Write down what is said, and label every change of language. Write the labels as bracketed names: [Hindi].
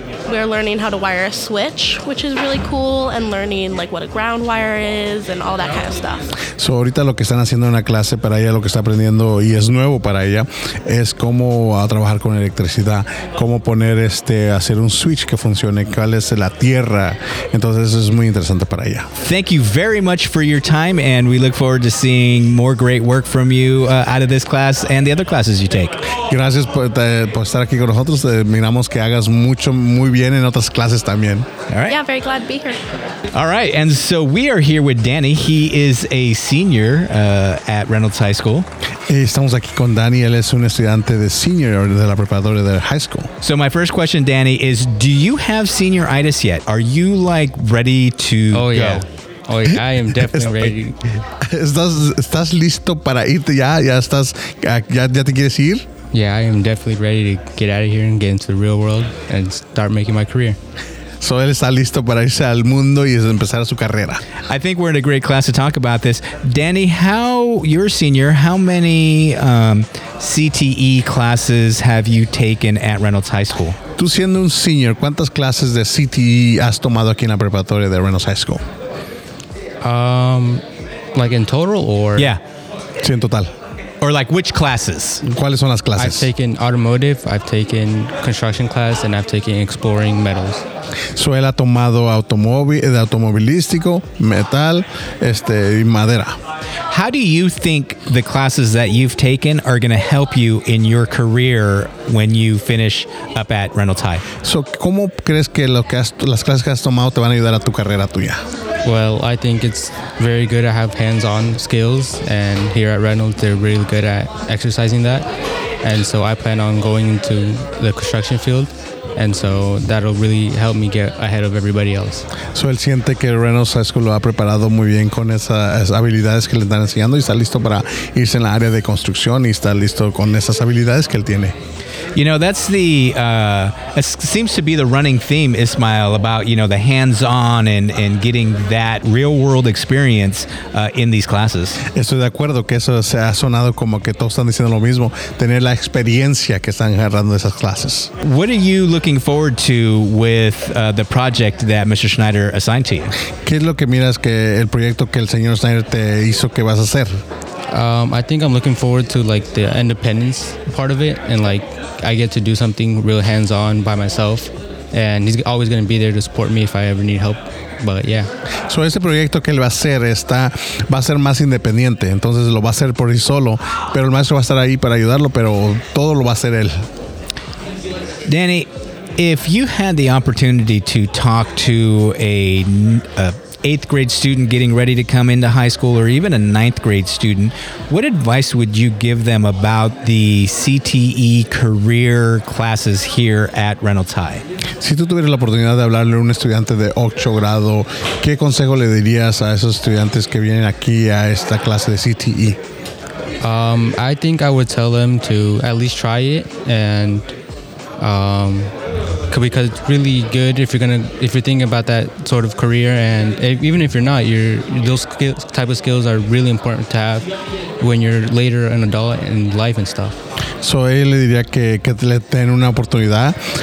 [English] We're learning how to wire a switch, which is really cool, and learning like what a ground wire is and all that kind of stuff. [Spanish] So ahorita lo que están haciendo en la clase para ella, lo que está aprendiendo y es nuevo para ella, es cómo trabajar con electricidad, cómo poner hacer un switch que funcione, cuál es la tierra. Entonces eso es muy interesante para ella. [English] Thank you very much for your time, and we look forward to seeing more great work from you out of this class and the other classes you take. [Spanish] Gracias por estar aquí con nosotros. Miramos que hagas mucho muy bien en otras clases también. [English] All right. Yeah, very glad to be here. All right, and so we are here with Danny. He is a senior at Reynolds High School. [Spanish] Estamos aquí con Danny. Él es un estudiante de senior de la preparatoria de high school. [English] So my first question, Danny, is do you have senioritis yet? Are you like ready to go? Oh, yeah. Oh, I am definitely ready. [Spanish] ¿Estás listo para irte ya? ¿Ya te quieres ir? [English] Yeah, I am definitely ready to get out of here and get into the real world and start making my career. [Spanish] So él está listo para irse al mundo y empezar su carrera. [English] I think we're in a great class to talk about this. Danny, you're a senior. How many CTE classes have you taken at Reynolds High School? [Spanish] Tú siendo un senior, ¿cuántas clases de CTE has tomado aquí en la preparatoria de Reynolds High School? [English] Like in total or? Yeah. [Spanish] Sí, en total. [English] Or like which classes? [Spanish] ¿Cuáles son las clases? [English] I've taken automotive, I've taken construction class, and I've taken exploring metals. [Spanish] So él ha tomado automovilístico, metal, y madera. [English] How do you think the classes that you've taken are going to help you in your career when you finish up at Reynolds High? [Spanish] So ¿cómo crees que las clases que has tomado te van a ayudar a tu carrera tuya? [English] Well, I think it's very good to have hands-on skills, and here at Reynolds, they're really good at exercising that. And so I plan on going into the construction field, and so that'll really help me get ahead of everybody else. [Spanish] So él siente que Reynolds High School lo ha preparado muy bien con esas habilidades que le están enseñando y está listo para irse en la área de construcción y está listo con esas habilidades que él tiene. [English] You know, that's the it seems to be the running theme, Ismael, about, you know, the hands-on and getting that real-world experience in these classes. [Spanish] Estoy de acuerdo que eso se ha sonado como que todos están diciendo lo mismo, tener la experiencia que están agarrando esas clases. [English] What are you looking forward to with the project that Mr. Schneider assigned to you? [Spanish] ¿Qué es lo que miras que el proyecto que el señor Schneider te hizo que vas a hacer? [English] I think I'm looking forward to like the independence part of it, and like I get to do something real hands-on by myself, and he's always going to be there to support me if I ever need help. But yeah. [Spanish] So ese proyecto que él va a hacer va a ser más independiente. Entonces lo va a hacer por sí solo, pero el maestro va a estar ahí para ayudarlo, pero todo lo va a hacer él. [English] Danny, if you had the opportunity to talk to a eighth grade student getting ready to come into high school, or even a ninth grade student, what advice would you give them about the CTE career classes here at Reynolds High? [Spanish] Si tú tuvieras la oportunidad de hablarle a un estudiante de octavo grado, ¿qué consejo le dirías a esos estudiantes que vienen aquí a esta clase de CTE? [English] I think I would tell them to at least try it, and because it's really good if you're thinking about that sort of career, and even if you're not, type of skills are really important to have when you're later an adult in life and stuff. [Spanish] So él le diría que le den una oportunidad.